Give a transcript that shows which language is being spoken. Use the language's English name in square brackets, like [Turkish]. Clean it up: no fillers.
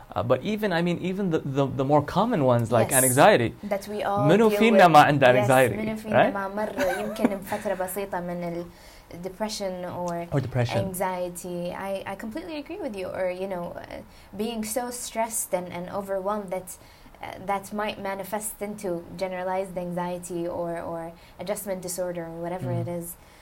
[English] But even, I mean, even the more common ones, like anxiety. That we all [Arabic] منو فينا ما عنده anxiety, [English] right? [Arabic] منو فينا ما مر يمكن بفترة بسيطة من ال... [English] Depression or anxiety. I completely agree with you. Or, you know, being so stressed and overwhelmed that might manifest into generalized anxiety or adjustment disorder or whatever it is.